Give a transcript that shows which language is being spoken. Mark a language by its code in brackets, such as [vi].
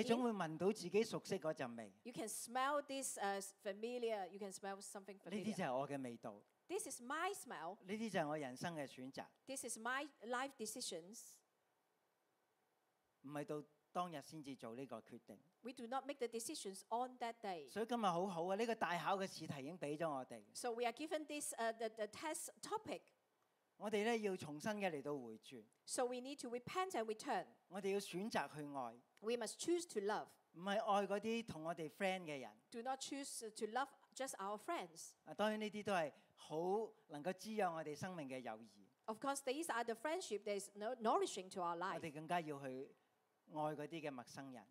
[yue] 你總會聞到自己熟悉嗰陣味。 [en] You can smell this familiar. You can smell something familiar. [yue] 呢啲就係我嘅味道。 [en] This is my smell. [yue] 呢啲就係我人生嘅選擇。 [en] This is my life decisions. [yue] 唔係到當日先至做呢個決定。 [en] We do not make the decisions on that day. [yue] 所以今日好好啊！呢個大考嘅試題已經俾咗我哋。 [en] So we are given this the test topic. [yue] 我哋咧要重新嘅嚟到回轉。 [en] So we need to repent and return. [yue] 我哋要選擇去愛。 [en] We must choose to love. [yue] 唔係愛嗰啲同我哋 friend 嘅人。 [en] Do not choose to love just our friends. [yue] 啊，當然呢啲都係好能夠滋養我哋生命嘅友誼。 [en] Of course, these are the friendship that is nourishing to our life. [yue] 我哋更加要去愛嗰啲嘅陌生人。